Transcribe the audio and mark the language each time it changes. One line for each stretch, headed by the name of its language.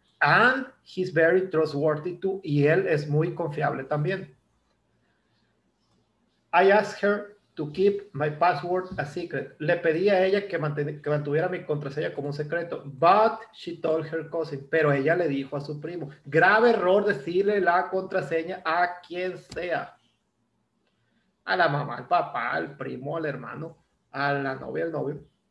English: And he's very trustworthy too.
Spanish: Y él es muy confiable también.
English: I asked her to keep my password a secret.
Spanish: Le pedí a ella que mantuviera mi contraseña como un secreto.
English: But she told her cousin.
Spanish: Pero ella le dijo a su primo. Grave error decirle la contraseña a quien sea. A la mamá, al papá, al primo, al hermano, a la novia, al novio.